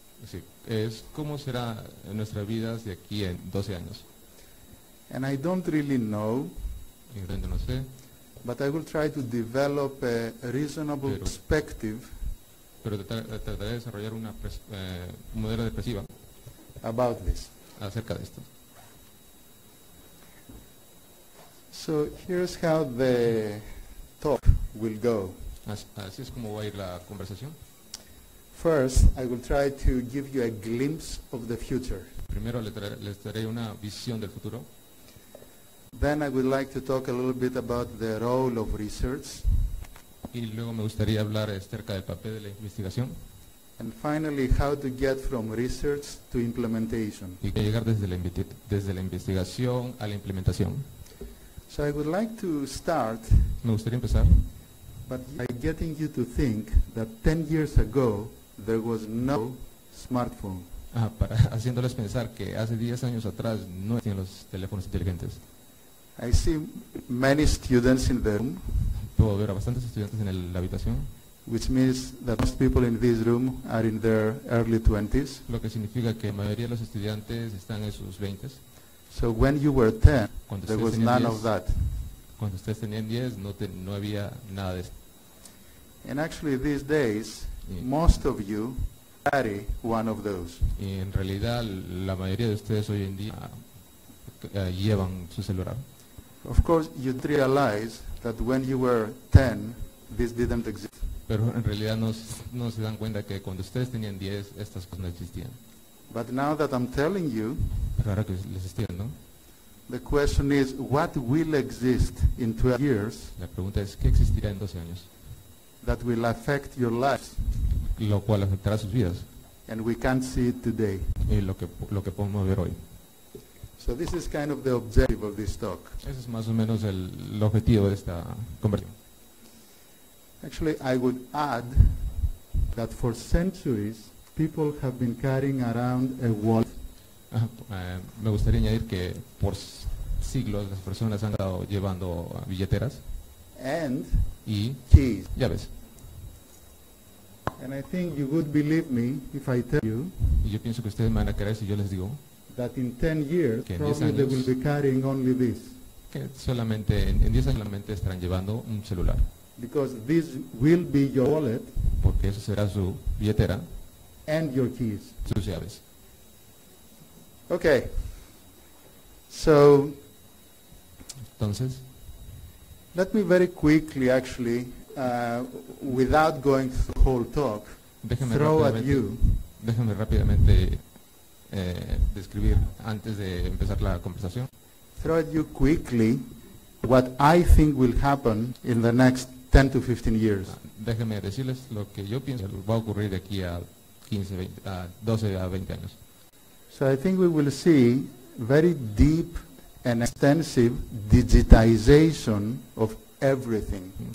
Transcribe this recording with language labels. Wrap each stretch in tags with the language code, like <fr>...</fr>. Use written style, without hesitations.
<es>Sí, es cómo será nuestra vida de aquí en 12 años.</es> <en>And I don't really know,</en> <es>no sé,</es> <en>but I will try to develop a reasonable perspective,</en> <es>pero trataré de desarrollar una modelo de perspectiva</es> <en>about this.</en> <es>Acerca de esto.</es> <en>So here's how the talk will go.</en> <es>Así es como va a ir la conversación.</es> <en>First, I will try to give you a glimpse of the future.</en> <es>Primero les daré una visión del futuro.</es> <en>Then I would like to talk a little bit about the role of research.</en> <es>Y luego me gustaría hablar acerca del papel de la investigación.</es> <en>And finally, how to get from research to implementation.</en> <es>Y llegar desde la investigación a la implementación.</es> <en>So I would like to start.</en> <es>Me gustaría empezar.</es> <en>But by getting you to think that 10 years ago there was no smartphone.</en> <es>Para haciéndoles pensar que hace 10 años atrás no existían los teléfonos inteligentes.</es> <en>I see many students in the room.</en> <es>Puedo ver a bastantes estudiantes en la habitación.</es> <en>Which means that most people in this room are in their early 20s.</en> <es>Lo que significa que la mayoría de los estudiantes están en sus 20s.</es> <en>So when you were 10, there was none of that.</en> <es>Cuando ustedes tenían 10, no había nada de eso.</es> <en>And actually these days, most of you carry one of those.</en> <es>Y en realidad, la mayoría de ustedes hoy en día llevan su celular.</es> <en>Of course, you realize that when you were 10, this didn't exist.</en> <es>Pero en realidad no se dan cuenta que cuando ustedes tenían 10, estas cosas no existían.</es> <en>But now that I'm telling you,</en> <es>pero ahora que les estoy diciendo,</es> <en>the question is, what will exist in 12 years,</en> <es>la pregunta es, ¿qué existirá en 12 años?</es> <en>That will affect your lives,</en> <es>lo cual afectará sus vidas.</es> <en>And we can't see it today.</en> <es>Y lo que podemos ver hoy.</es> <en>So this is kind of the objective of this talk.</en> <es>Ese es más o menos el objetivo de esta conversación.</es> <en>Actually, I would add that for centuries, people have been carrying around a wallet.</en> <es>Me gustaría añadir que por siglos las personas han estado llevando billeteras</es> <en>and</en> <es>y</es> <en>keys.</en> <es>Llaves.</es> <en>And I think you would believe me if I tell you.</en> <es>Y yo pienso que ustedes me van a creer si yo les digo</es> <en>that in 10 years,</en> <es>que en 10 años,</es> <en>they will be carrying only this.</en> <es>Que solamente en 10 años solamente estarán llevando un celular.</es> <en>Because this will be your wallet,</en> <es>porque eso será su billetera,</es> <en>and your keys,</en> <es>sus llaves.</es> <en>Okay. So,</en> <es>entonces,</es> <en>let me very quickly, actually, without going through the whole talk, throw at you.</en> <es>Déjame rápidamente describir antes de empezar la conversación.</es> <en>Throw at you quickly what I think will happen in the next 10 to 15 years.</en> <es>Déjenme decirles lo que yo pienso que va a ocurrir de aquí a 12 a 20 años.</es> <en>So I think we will see very deep and extensive digitization of everything.</en>